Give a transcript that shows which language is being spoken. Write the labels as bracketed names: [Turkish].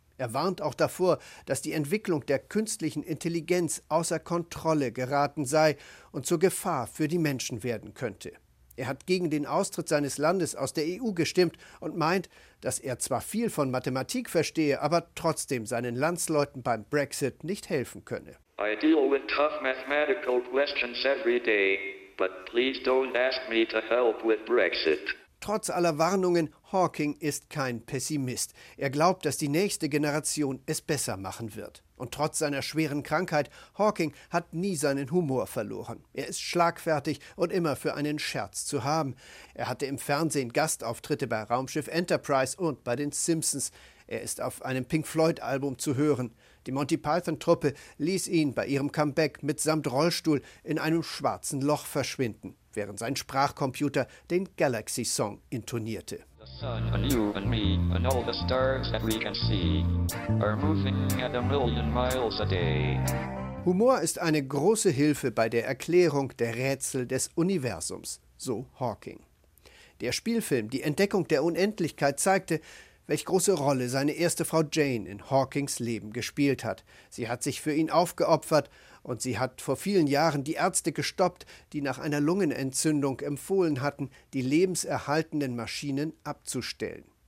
[German] Er warnt auch davor, dass die Entwicklung der künstlichen Intelligenz außer Kontrolle geraten sei und zur Gefahr für die Menschen werden könnte. Er hat gegen den Austritt seines Landes aus der EU gestimmt und meint, dass er zwar viel von Mathematik verstehe, aber trotzdem seinen Landsleuten beim Brexit nicht helfen könne. [English] I deal with tough mathematical questions every day, but please don't ask me to help with Brexit. [German] Trotz aller Warnungen, Hawking ist kein Pessimist. Er glaubt, dass die nächste Generation es besser machen wird. Und trotz seiner schweren Krankheit, Hawking hat nie seinen Humor verloren. Er ist schlagfertig und immer für einen Scherz zu haben. Er hatte im Fernsehen Gastauftritte bei Raumschiff Enterprise und bei den Simpsons. Er ist auf einem Pink Floyd-Album zu hören. Die Monty Python-Truppe ließ ihn bei ihrem Comeback mitsamt Rollstuhl in einem schwarzen Loch verschwinden, während sein Sprachcomputer den Galaxy-Song intonierte. [English] The sun and you and me and all the stars that we can see are moving at a million miles a day. [German] Humor ist eine große Hilfe bei der Erklärung der Rätsel des Universums, so Hawking. Der Spielfilm Die Entdeckung der Unendlichkeit zeigte, welch große Rolle seine erste Frau Jane in Hawkings Leben gespielt hat. Sie hat sich für ihn aufgeopfert und sie hat vor vielen Jahren die Ärzte gestoppt, die nach einer Lungenentzündung empfohlen hatten, die lebenserhaltenden Maschinen abzustellen.